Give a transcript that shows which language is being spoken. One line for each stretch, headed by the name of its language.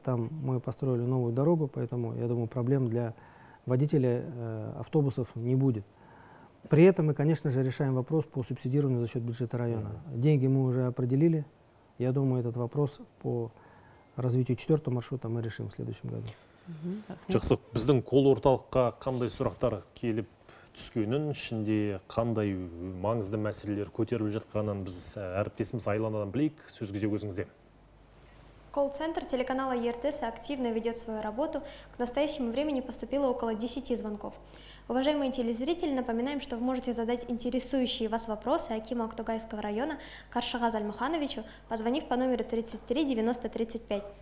Russian: Там мы построили новую дорогу, поэтому, я думаю, проблем для водителя автобусов не будет. При этом мы, конечно же, решаем вопрос по субсидированию за счет бюджета района. Деньги мы уже определили. Я думаю, этот вопрос по развитию четвертого маршрута мы решим в следующем году.
Kazakh: Жақсы, біздің қол орталыққа қандай сұрақтар келіп түскенін, ішінде қандай маңызды мәселелер көтеріліп жатқанын біз әріптесіміз Айланадан білейік. Сөз кезегі өзіңізде.
Russian: Колл-центр телеканала ЕРТС активно ведет свою работу. К настоящему времени поступило около 10 звонков. Уважаемые телезрители, напоминаем, что вы можете задать интересующие вас вопросы акиму Актугайского района Каршыга Зальмухановичу, позвонив по номеру 33 90 35.